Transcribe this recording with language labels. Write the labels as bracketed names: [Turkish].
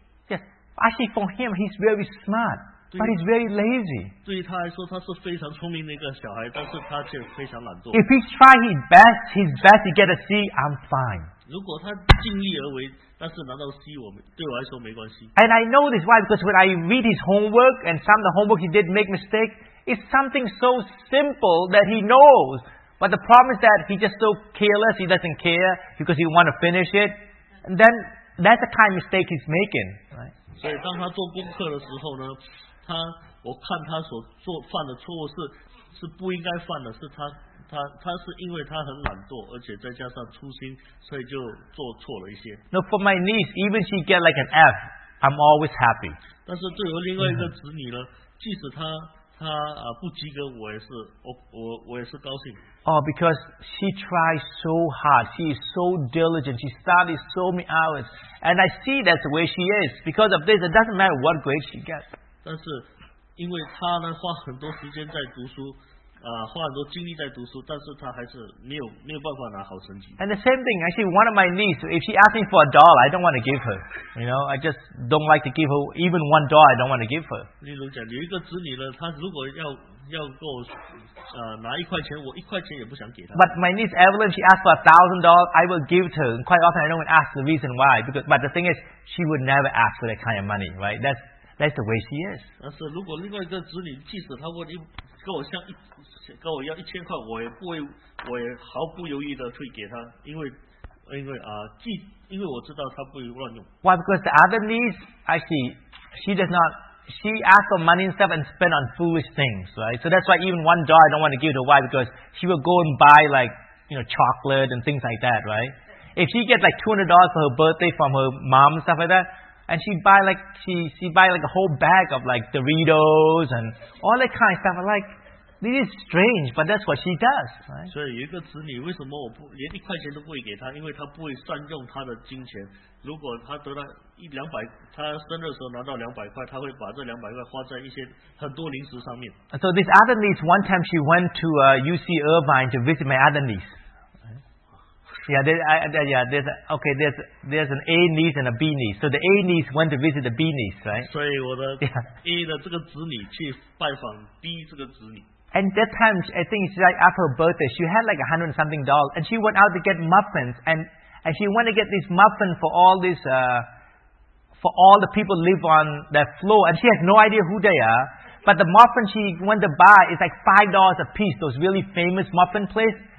[English] Yes, actually for him, he's very smart, but he's very lazy. [Chinese] 对于他来说，他是非常聪明的一个小孩，但是他却非常懒惰。 [English] If he try his best to get a C, I'm fine. [Chinese] 如果他尽力而为，但是拿到 C， 对我来说没关系。 [English] And I know this why, because when I read his homework and some of the homework he did make mistake, it's something so simple that he knows. But the problem is that he just so careless, he doesn't care because he want to finish it. And then that's the kind of mistake he's making, right? [Chinese] 所以当他做功课的时候呢？我看他所做犯的错误是不应该犯的，是他是因为他很懒惰，而且再加上粗心，所以就做错了一些。 [English] No, for my niece, even she get like an F, I'm always happy. [Chinese] 但是对于另外一个子女呢， mm-hmm. 即使他不及格，我也是高兴。 [English] Oh, because she tries so hard, she is so diligent, she studies so many hours, and I see that's the way she is. Because of this, it doesn't matter what grade she gets. [Chinese] 但是因为他呢花很多时间在读书花很多精力在读书，但是他还是没有办法拿好成绩。 [English] And the same thing, actually one of my niece, if she asked me for a dollar, I don't want to give her. You know, I just don't like to give her even one dollar, I don't want to give her. [Chinese] 例如讲有一个子女呢，他如果要给我拿一块钱，我一块钱也不想给他。 [English] But my niece Evelyn, she asked for $1,000, I will give to her. Quite often I don't ask the reason why, but the thing is, she would never ask for that kind of money, right? That's the way she is. [Chinese] 但是如果另外一个子女，即使他问你，跟我要一千块，我也毫不犹豫的退给他，因为我知道他不会乱用。 [English] Why? Because the other niece, she asks for money and stuff and spend on foolish things, right? So that's why even $1 I don't want to give to her. Why? Because she will go and buy like, you know, chocolate and things like that, right? If she gets like $200 for her birthday from her mom and stuff like that,And she buy like a whole bag of like Doritos and all that kind of stuff. Like, this is strange, but that's what she does. Right? [Chinese] 所以有一个子女，为什么我不连一块钱都不会给他？因为他不会善用他的金钱。如果他得到一两百，他生日的时候拿到两百块，他会把这两百块花在一些很多零食上面。 [English] So this other niece, one time she went to UC Irvine to visit my other niece. Yeah, there's an A niece and a B niece. So the A niece went to visit the B niece, right? [Chinese] 所以我的 A 的这个子女去拜访 B 这个子女。 [English] And that time, I think it's like after her birthday, she had like $100-something, and she went out to get muffins, and she went to get this muffin for all this, for all the people live on that floor, and she has no idea who they are. But the muffin she went to buy is like $5 a piece, those really famous muffin place.